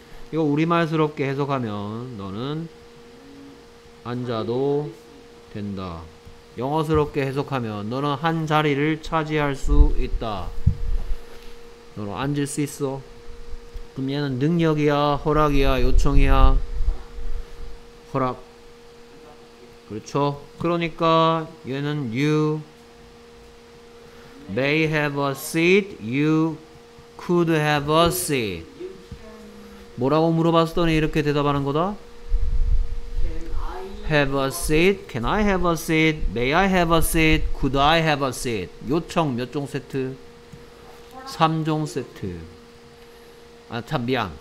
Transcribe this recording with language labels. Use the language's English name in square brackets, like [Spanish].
[Korean] 이거 우리말스럽게 해석하면 너는 앉아도 된다. 영어스럽게 해석하면 너는 한 자리를 차지할 수 있다. 너는 앉을 수 있어. 그럼 얘는 능력이야, 허락이야, 요청이야? 허락. 그렇죠. 그러니까 얘는 [English] you may have a seat, you could have a seat. [Korean] 뭐라고 물어봤더니 이렇게 대답하는 거다. [English] Have a seat? Can I have a seat? May I have a seat? Could I have a seat? [Korean] 요청 몇 종 세트? 3종 세트. 아, 참 미안.